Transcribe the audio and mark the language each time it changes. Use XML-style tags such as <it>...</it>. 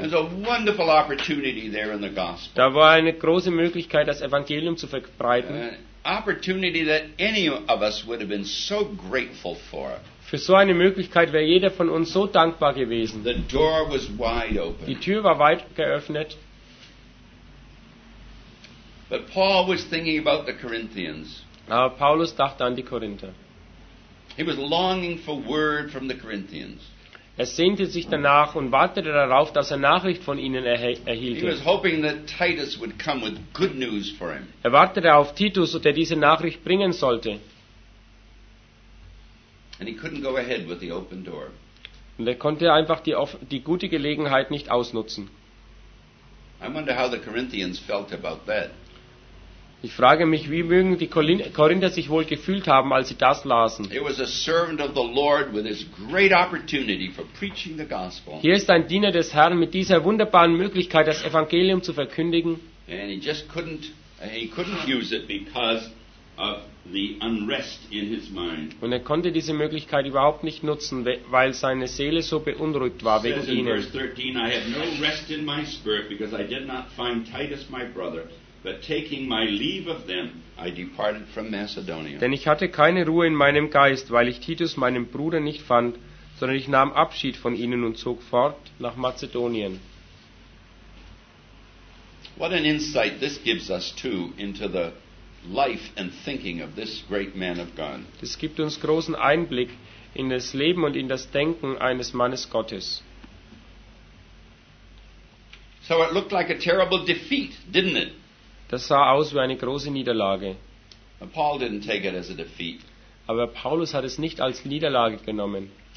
<en>There's a wonderful opportunity there in the gospel.</en> <de>Da war eine große Möglichkeit, das Evangelium zu verbreiten.</de> <en>Opportunity that any of us would have been so grateful for.</en> <de>Für so eine Möglichkeit wäre jeder von uns so dankbar gewesen.</de> <en>The door was wide open.</en> <de>Die Tür war weit geöffnet.</de> <en>But Paul was thinking about the Corinthians.</en> <de>Aber Paulus dachte an die Korinther.</de> <en>He was longing for word from the Corinthians.</en> <de>Er sehnte sich danach und wartete darauf, dass er Nachricht von ihnen erhielt.</de> <en>He was hoping that Titus would come with good news for him.</en> <de>Er wartete auf Titus, der diese Nachricht bringen sollte.</de> <en>And he couldn't go ahead with the open door.</en> <de>Und er konnte einfach die gute Gelegenheit nicht ausnutzen.</de> <en>I wonder how the Corinthians felt about that.</en> <de>Ich frage mich, wie mögen die Korinther sich wohl gefühlt haben, als sie das lasen. Hier ist ein Diener des Herrn mit dieser wunderbaren Möglichkeit, das Evangelium zu verkündigen.</de> <en>And he couldn't use it because of the unrest in his mind.</en> <de>Und er konnte diese Möglichkeit überhaupt nicht nutzen, weil seine Seele so beunruhigt war wegen ihnen. In Vers</de> <en>13, I have no rest in my spirit, because I did not find Titus my brother. But taking my leave of them, I departed from Macedonia.</en> <de>Denn ich hatte keine Ruhe in meinem Geist, weil ich Titus, meinen Bruder, nicht fand, sondern ich nahm Abschied von ihnen und zog fort nach Mazedonien.</de> <en>What an insight this gives us too into the life and thinking of this great man of God.</en> <de>Das gibt uns großen Einblick in das Leben und in das Denken eines Mannes Gottes.</de> <en>So it looked like a terrible defeat, didn't it?</en> <de>Das sah aus wie eine große Niederlage.</de> <en>Paul didn't take it as a defeat.</en> <de>Aber Paulus hat es nicht als Niederlage genommen.</de>